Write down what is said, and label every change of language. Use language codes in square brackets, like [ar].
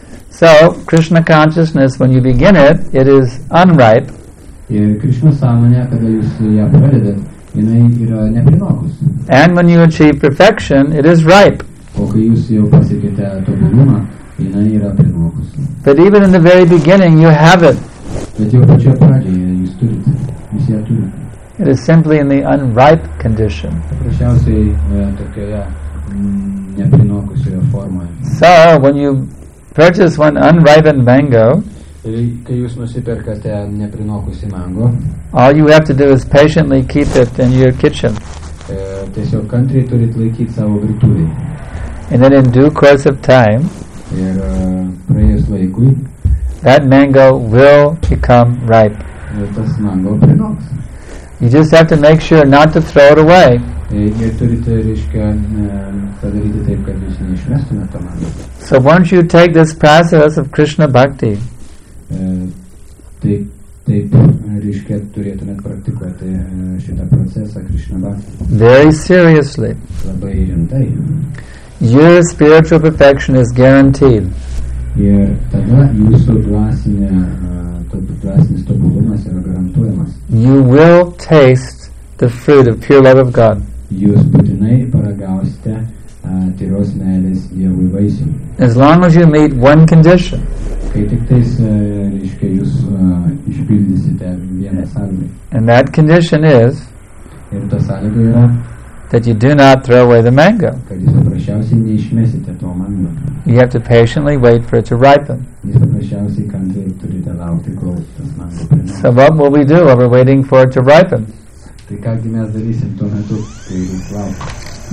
[en] So, Krishna consciousness, when you begin it, it is unripe. [lt] Ir Krishna sąmonė, kada jūs ją pradedat, jinai yra neprinokus. [en] And when you achieve perfection, it is ripe. [lt] O kai jūs jau pasiekite tobulumą, jinai yra prinokus. [en] But even in the very beginning, you have it. [lt] Bet jau pačioje pradžioje jūs turit, jūs ją turit. [en] It is simply in the unripe condition. [lt] Paprasčiausiai tokioje neprinokusioje formoje. [en] So, when you purchase one unripened mango, [lt] kai jūs nusiperkate neprinokusį mango, [en] all you have to do is patiently keep it in your kitchen. [lt] Tiesiog kantriai turit laikyti savo virtuvėje. [en] And then in due course of time, [lt] ir praėjus laikui, [en] that mango will become ripe. [lt] Tas mango prinoks. [en] You just have to make sure not to throw it away. [lt] Ir turit, reiškia, padaryti taip, kad jūs neišmestumėt tą mango. [en] So once you take this process of Krishna bhakti, [lt] taip, reiškia, turėtumėt praktikuoti šitą procesą Krishna bhakti. [en] Very seriously. [lt] Labai rimtai. [en] Your spiritual perfection is guaranteed. [lt] Ir tada jūsų dvasinis tobulumas yra garantuojamas. [en] You will taste the fruit of pure love of God. [lt] Jūs būtinai paragausite tyros meilės Dievui vaisių. [en] As long as you meet one condition. [lt] Kai tik tais, reiškia, jūs išpildysite vieną sąlygą. [en] And that condition is, [lt] ir ta sąlyga yra, [en] that you do not throw away the mango. [lt] Kad jūs paprasčiausiai neišmesite to mango. [en] You have to patiently wait for it to ripen. [lt] Jūs paprasčiausiai kantriai turite laukti, kol tas mango prinoks. [en] So what will we do while we're waiting for it to ripen? [lt] Tai ką gi mes darysim tuo metu, kai jūs laukite?